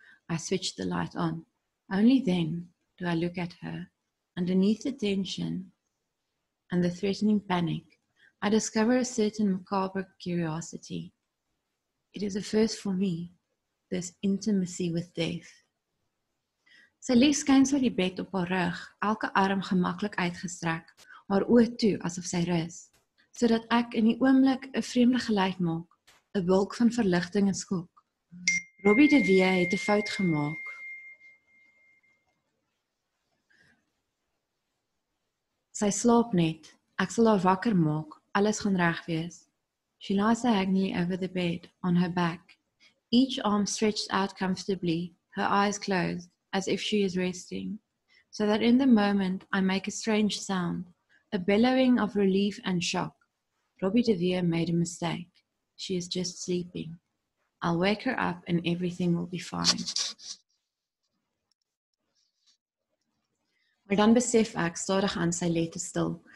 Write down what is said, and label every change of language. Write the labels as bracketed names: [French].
[English] I switch the light on. Only then do I look at her. Underneath the tension and the threatening panic, I discover a certain macabre curiosity. It is a first for me, this intimacy with death. [Afrikaans] Sy lê skuins oor die bed op haar rug, elke arm gemaklik uitgestrek, haar oë toe asof sy rus, sodat ek in die oomblik 'n vreemde geluid maak, 'n wolk van verligting en skok. Robbie de Vier het 'n fout gemaak. Sy slaap net. Ek sal haar wakker maak. Alles gaan reg wees. [English] She lies her agony over the bed, on her back, each arm stretched out comfortably, her eyes closed, as if she is resting, so that in the moment I make a strange sound, a bellowing of relief and shock. Robbie de Vier made a mistake. She is just sleeping. I'll wake her up and everything will be fine. [Afrikaans] Maar dan besef ek stadig aan sy lette stil.